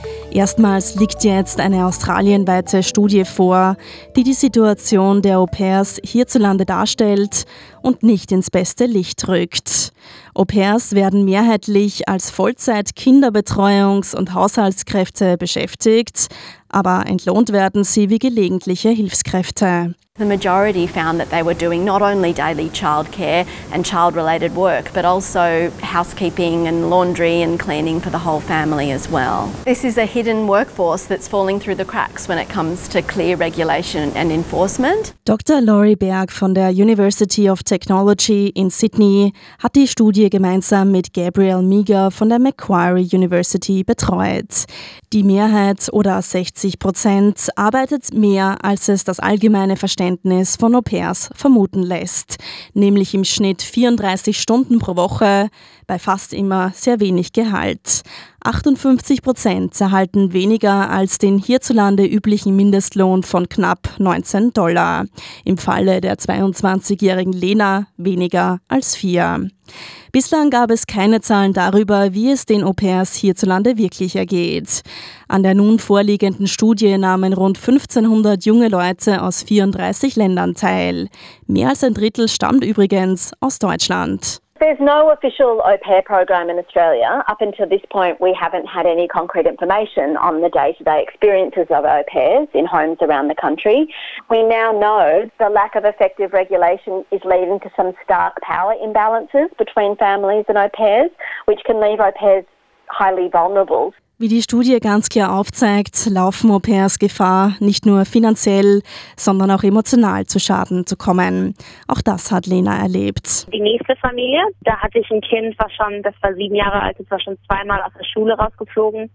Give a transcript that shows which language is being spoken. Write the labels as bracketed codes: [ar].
[de] Erstmals liegt jetzt eine australienweite Studie vor, die die Situation der Au-pairs hierzulande darstellt und nicht ins beste Licht rückt. Au-pairs werden mehrheitlich als Vollzeit-Kinderbetreuungs- und Haushaltskräfte beschäftigt, aber entlohnt werden sie wie gelegentliche Hilfskräfte. [en] The majority found that they were doing not only daily childcare and child-related work, but also housekeeping and laundry and cleaning for the whole family as well. This is a hidden workforce that's falling through the cracks when it comes to clear regulation and enforcement. [de] Dr. Laurie Berg von der University of Technology in Sydney hat die Studie gemeinsam mit Gabriel Meager von der Macquarie University betreut. Die Mehrheit oder 60% arbeitet mehr, als es das allgemeine Verständnis von Au-pairs vermuten lässt, nämlich im Schnitt 34 Stunden pro Woche, bei fast immer sehr wenig Gehalt. 58% erhalten weniger als den hierzulande üblichen Mindestlohn von knapp $19. Im Falle der 22-jährigen Lena weniger als 4. Bislang gab es keine Zahlen darüber, wie es den Au-pairs hierzulande wirklich ergeht. An der nun vorliegenden Studie nahmen rund 1500 junge Leute aus 34 Ländern teil. Mehr als ein Drittel stammt übrigens aus Deutschland. [en] There's no official au pair program in Australia. Up until this point, we haven't had any concrete information on the day-to-day experiences of au pairs in homes around the country. We now know the lack of effective regulation is leading to some stark power imbalances between families and au pairs, which can leave au pairs highly vulnerable. [de] Wie die Studie ganz klar aufzeigt, laufen Au-pairs Gefahr, nicht nur finanziell, sondern auch emotional zu Schaden zu kommen. Auch das hat Lena erlebt. Die nächste Familie, da hatte ich ein Kind, das war 7 Jahre alt, das war schon 2-mal aus der Schule rausgeflogen.